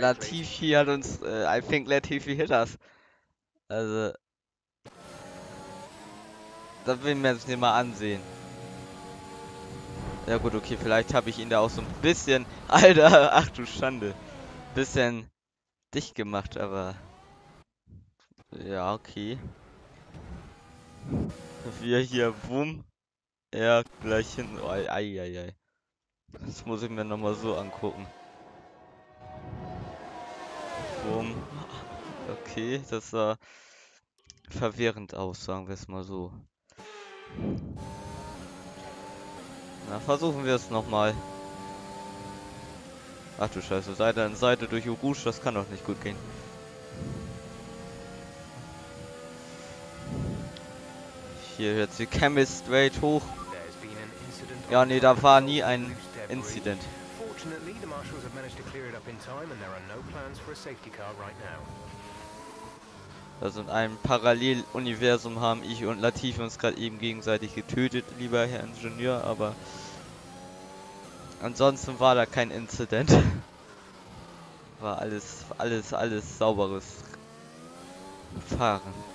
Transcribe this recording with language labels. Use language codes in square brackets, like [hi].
[de] Latifi hat uns, [en] I think Latifi hit us. [de] Also. Das will man sich nicht mal ansehen. Ja gut, okay, vielleicht habe ich ihn da auch so ein bisschen. Alter, ach du Schande. Bisschen dicht gemacht, aber. Ja, okay. Wir hier, boom. Ja, gleich hin. Oh, eieiei. Das muss ich mir nochmal so angucken. Boom. Okay, das sah verwirrend aus, sagen wir es mal so. Na, versuchen wir es nochmal. Ach du Scheiße, Seite an Seite durch Urush, das kann doch nicht gut gehen. Hier hört sie Chemist straight hoch. Ja, nee, da war nie ein Incident. [en] Fortunately, the marshals have managed to clear it up in time and there are no plans for a safety car right now. [de] Also in einem Paralleluniversum haben ich und Latifi uns gerade eben gegenseitig getötet, lieber Herr Ingenieur, aber ansonsten war da kein Incident. War alles saubere Fahren.